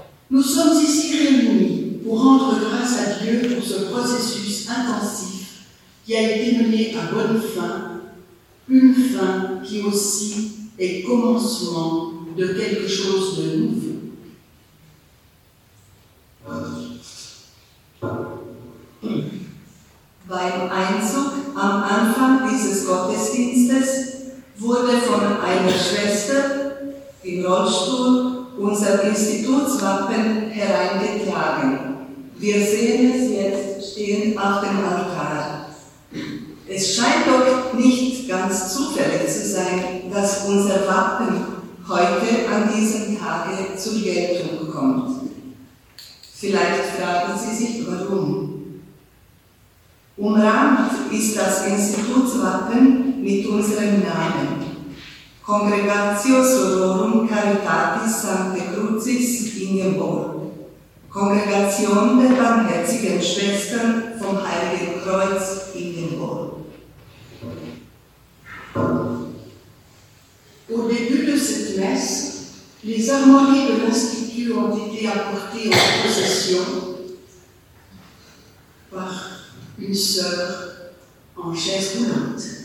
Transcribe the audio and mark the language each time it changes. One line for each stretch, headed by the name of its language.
French: Nous sommes ici réunis pour rendre grâce à Dieu pour ce processus intensif qui a été mené à bonne fin, une fin qui aussi est commencement de quelque chose de nouveau.
German: Beim Einzug am Anfang dieses Gottesdienstes wurde von einer Schwester im Rollstuhl unser Institutswappen hereingetragen. Wir sehen es jetzt stehen auf dem Altar. Es scheint doch nicht ganz zufällig zu sein, dass unser Wappen heute an diesem Tage zur Geltung kommt. Vielleicht fragen Sie sich, warum. Umrahmt ist das Institutswappen mit unserem Namen: Congregatio Sororum Caritatis Sancte Crucis Ingeborg, Kongregation der barmherzigen Schwestern vom Heiligen Kreuz Ingeborg.
French: Au début de cette messe, les armoiries de l'Institut ont été apportées en procession par une sœur en chaise roulante.